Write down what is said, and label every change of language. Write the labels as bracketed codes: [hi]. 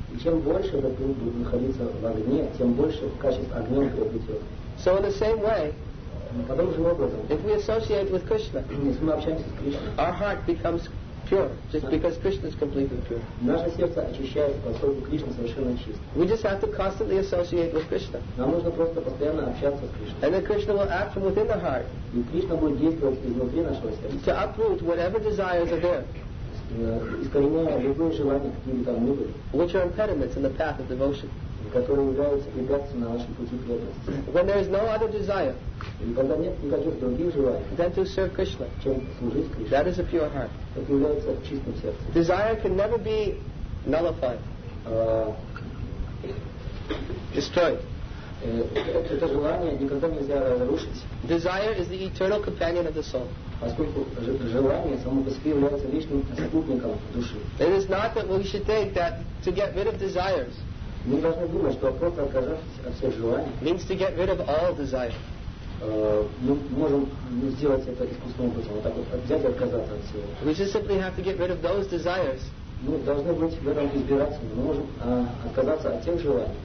[en] So in the same way, if we associate with Krishna, our heart becomes pure, just because Krishna is completely pure. We just have to constantly associate with Krishna. And then Krishna will act from within the heart to uproot whatever desires are there. [ru] искореняя любые желания, какие бы там ни были. [en] Which are impediments in the path of devotion. [ru] Которые являются препятствием на нашем пути к преданности. [en] When there is no other desire. [ru] И когда нет никаких других желаний. [en] Than to serve Krishna. [ru] Чем служить Кришне. [en] That is a pure heart. [ru] Это является чистым сердцем. [en] Desire can never be nullified. Destroyed. [ru] Это желание никогда нельзя разрушить. [en] Desire is the eternal companion of the soul. [ru] Поскольку желание само по себе является лишним спутником души. [en] It is not that we should think that to get rid of desires. [ru] Мы должны думать, что просто отказавшись от всех желаний. [en] Means to get rid of all desires. [ru] Мы можем сделать это искусственным путем, вот так вот взять и отказаться от всего. [en] We just simply have to get rid of those desires. [ru] Мы должны быть в этом избирательны. Мы можем отказаться от тех желаний.